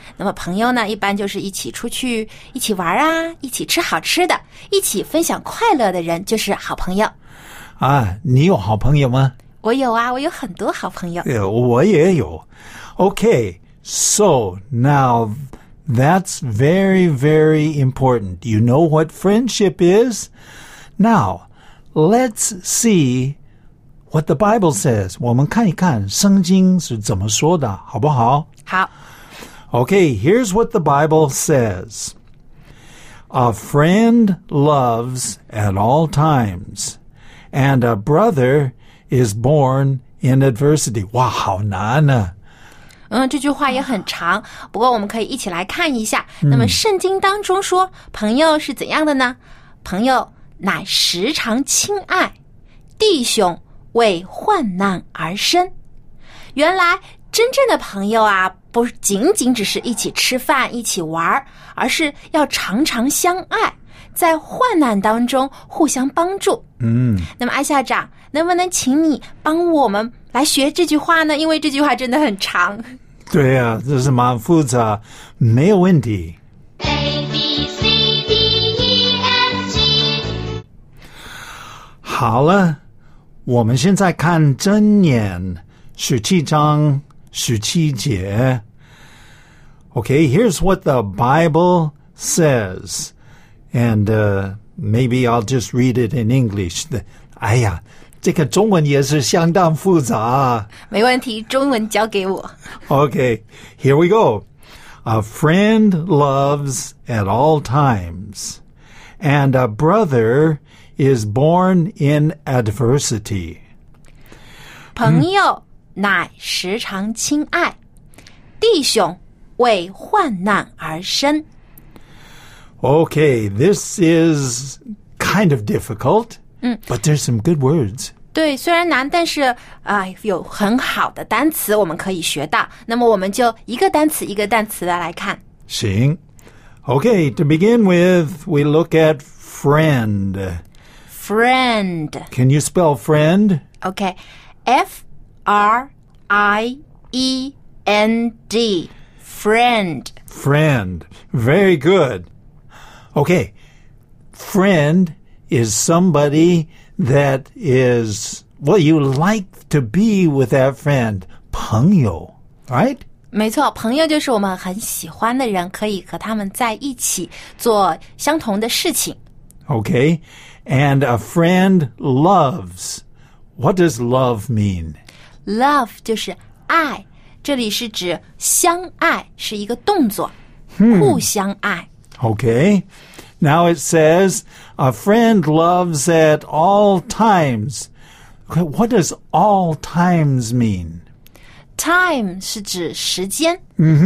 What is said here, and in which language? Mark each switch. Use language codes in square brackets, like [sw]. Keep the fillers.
[zh] 那么朋友呢，一般就是一起出去、一起玩啊，一起吃好吃的，一起分享快乐的人就是好朋友。啊，你有好朋友吗？我有啊，我有很多好朋友。我也有。 [en] OK，so、okay, now that's very very important. You know what friendship is? Now let's see. what the Bible says. [zh] 我们看一看圣经是怎么说的,好不好? [en] Okay, here's what the Bible says. A friend loves at all times, and a brother is born in adversity. [zh] 哇,好难啊。嗯，这句话也很长，不过我们可以一起来看一下。那么，圣经当中说朋友是怎样的呢？朋友乃时常亲爱，弟兄为患难而生，原来真正的朋友啊，不仅仅只是一起吃饭、一起玩儿，而是要常常相爱，在患难当中互相帮助。嗯，那么艾校长，能不能请你帮我们来学这句话呢？因为这句话真的很长。对呀、啊，这是蛮复杂，没有问题。 [en] A B C D E F G， [zh] 好了。我们现在看真言十七章十七节。 [en] Okay, here's what the Bible says. And uh, maybe I'll just read it in English. [zh] 哎呀,这个中文也是相当复杂。没问题,中文交给我。 [en] Okay, here we go. A friend loves at all times, and a brother is born in adversity. [zh] 朋友乃时常亲爱,弟兄为患难而生。 [en] Okay, mm. this is kind of difficult, mm. but there's some good words. [zh] 对，虽然难，但是啊、呃，有很好的单词我们可以学到。那么我们就一个单词一个单词的来看。行， [en] OK。To uh, okay, begin with, we look at friend。 friend. Can you spell friend? Okay. F R I E N D. Friend. Friend. Very good. Okay. Friend is somebody that is, well, you like to be with that friend. Pungyo. Right? [zh] 没错，朋友就是我们很喜欢的人，可以和他们在一起做相同的事情。 [en] Okay and a friend loves. What does love mean? [zh] Love 就是爱，这里是指相爱，是一个动作，hmm. 互相爱。 [en] Okay. Now it says a friend loves at all times. Okay, what does all times mean? [zh] Time 是指时间，mm -hmm.